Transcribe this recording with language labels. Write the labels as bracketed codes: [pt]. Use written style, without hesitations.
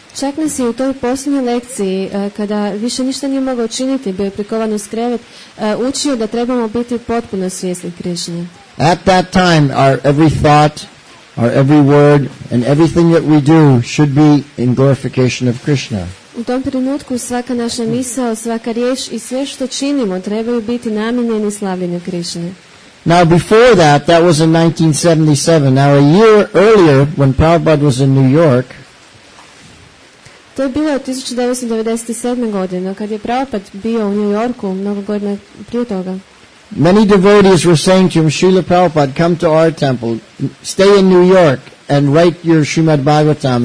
[hr] Čak nas je u toj posljednjoj lekciji, kada više ništa nije mogao činiti, bio je prikovan uz krevet, učio da trebamo biti potpuno svjesni Krišne. [en] At that time, our every thought, our every word, and everything that we do should be in glorification of Krishna. [hr] U tom trenutku svaka naša misao, svaka riječ i sve što činimo trebaju biti namijenjeni slavljenju Krišne. [en] Now before that, that was in 1977. Now a year earlier, when Prabhupada was in New York, [hr] to je bilo 1997. godine, kad je Prabhupada bio u New Yorku mnogo godina prije toga. [en] Many devotees were saying to him, Srila Prabhupada, come to our temple, stay in New York and write your Srimad Bhagavatam.